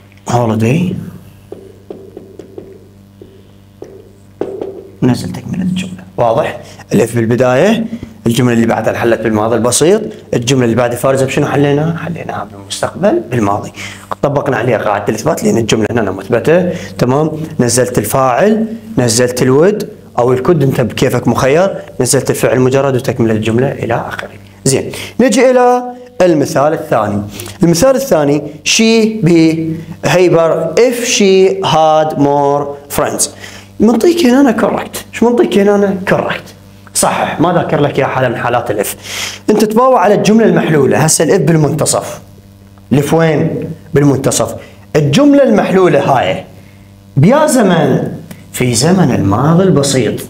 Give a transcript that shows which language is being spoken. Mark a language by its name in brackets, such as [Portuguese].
[Arabic] holiday، ننزل تكملة الجملة، واضح؟ الف بالبداية، الجملة اللي بعدها انحلت بالماضي البسيط، الجملة اللي بعدها فارزة بشنو حليناها؟ حليناها بالمستقبل بالماضي. طبقنا عليها قاعدة الإثبات لأن الجملة هنا مثبتة، تمام؟ نزلت الفاعل، نزلت الود أو الكود أنت بكيفك مخير، نزلت الفعل مجرد وتكمل الجملة إلى آخره. زين، نجي إلى المثال الثاني. المثال الثاني [English] she be hyper if she had more friends. [Arabic] منطقي هنا correct. شو منطقي هنا correct؟ صح. ما ذكر لك يا حالة من حالات الإف. أنت تباوع على الجملة المحلولة. هسه الإف بالمنتصف. الإف وين؟ بالمنتصف. الجملة المحلولة هاي. بيا زمن في زمن الماضي البسيط.